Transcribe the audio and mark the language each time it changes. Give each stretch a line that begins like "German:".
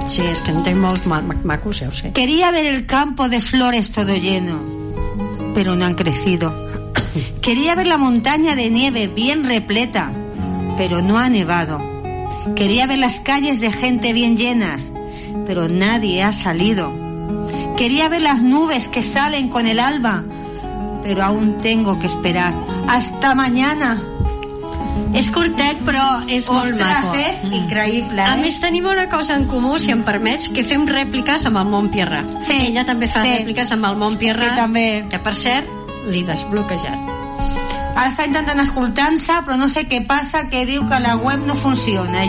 Catalan: Sí, és que en tinc molts macos, ja ho sé.
Spanish: Quería ver el campo de flores todo lleno, pero no han crecido. Quería ver la montaña de nieve bien repleta, pero no ha nevado. Quería ver las calles de gente bien llenas, pero nadie ha salido. Quería ver las nubes que salen con el alba, pero aún tengo que esperar. ¡Hasta mañana!
Catalan: És curtet, però és molt maco. Ostres, és increïble, eh? A més, tenim una cosa en comú, si em permets, que fem rèpliques amb el Montpierrat. Sí. Ella també fa rèpliques amb el Montpierrat. Sí, també. Que, per cert, l'he desbloquejat. Està intentant escoltar-se, però no sé què passa, que diu que la web no funciona.